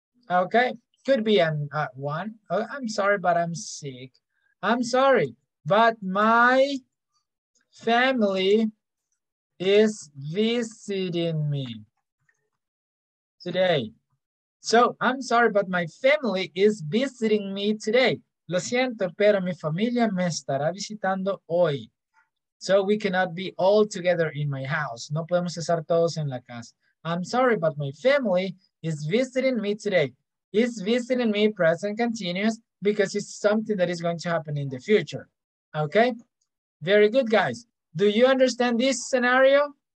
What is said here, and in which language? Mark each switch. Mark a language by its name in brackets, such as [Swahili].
[English] Okay, could be one. Oh, I'm sorry, but I'm sick. I'm sorry, but my family is visiting me today. So, I'm sorry, but my family is visiting me today. [Spanish] Lo siento, pero mi familia me estará visitando hoy. [English] So, we cannot be all together in my house. [Spanish] No podemos estar todos en la casa. [English] I'm sorry, but my family is visiting me today. Is visiting me present continuous because it's something that is going to happen in the future. Okay? Very good, guys. Do you understand this scenario?